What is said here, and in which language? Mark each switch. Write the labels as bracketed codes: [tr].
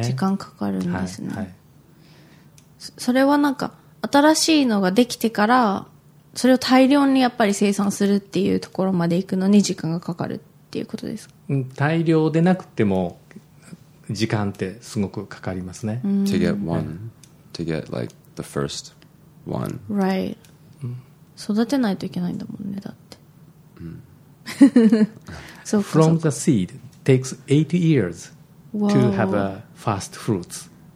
[ja] ん、時間かかるんですね、はいはい、それはなんか新しいのができてから、それを大量にやっぱり生産するっていうところまで行くのに時間がかかるっていうことですか。大量でなくても時間ってすごくかかりますね。 [en] To get one, to get like the first one. Right. [ja] 育てないといけないんだもんね、だって。 [en] So from the seed takes 8 years to have a first fruits.